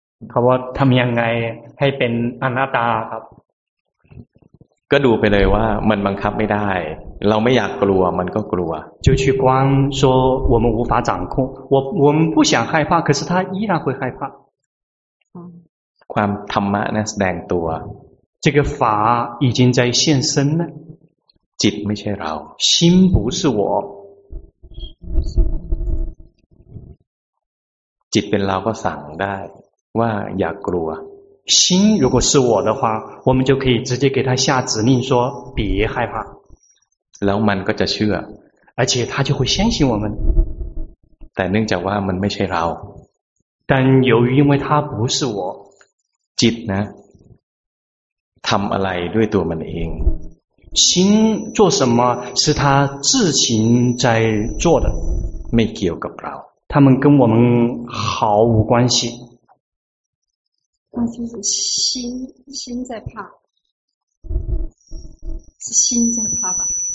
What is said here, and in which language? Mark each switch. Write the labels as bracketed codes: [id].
[th] เขาว่าทำยังไงให้เป็นอนัตตาครับ ก็ดูไปเลยว่ามันบังคับไม่ได้เราไม่อยากกลัวมันก็กลัว [zh] 就去观说我们无法掌控我们不想害怕可是他依然会害怕 [th] ความธรรมะนะแสดงตัว [zh] 这个法已经在现身了 [th] จิตไม่ใช่เรา [zh] 心不是我 [th] จิตเป็นเราก็สั่งได้ว่าอย่ากลัว [zh] 心如果是我的话我们就可以直接给他下指令说别害怕 [th] แล้วมันก็จะเชื่อ [zh] 而且他就会相信我们 [th] แต่เนื่องจากว่ามันไม่ใช่เรา [zh] 但由于因为他不是我 [th] จิตนะทำอะไรด้วยตัวมันเอง [zh] 心做什么是他自行在做的 [th] ไม่เกี่ยวกับเรา [zh] 他们跟我们毫无关系那就是心在怕是心在怕吧